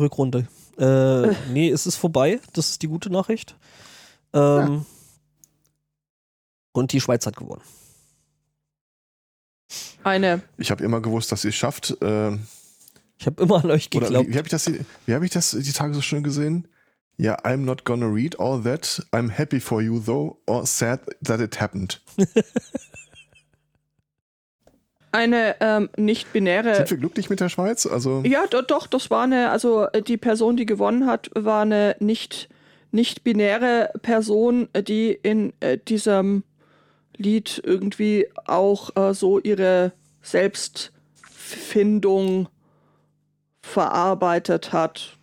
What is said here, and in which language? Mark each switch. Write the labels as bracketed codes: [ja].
[de] Rückrunde. Nee, es ist vorbei. Das ist die gute Nachricht. Ja. Und die Schweiz hat gewonnen. Eine. Ich habe immer gewusst, dass ihr es schafft. Ich habe immer an euch geglaubt. Oder wie habe ich das die Tage so schön gesehen? [en] Ja, yeah, I'm not gonna read all that. I'm happy for you though, or sad that it happened. [de] Eine nicht binäre. Sind wir glücklich mit der Schweiz? Also ja, doch. Das war eine. Also die Person, die gewonnen hat, war eine nicht binäre Person, die in diesem Lied irgendwie auch so ihre Selbstfindung verarbeitet hat.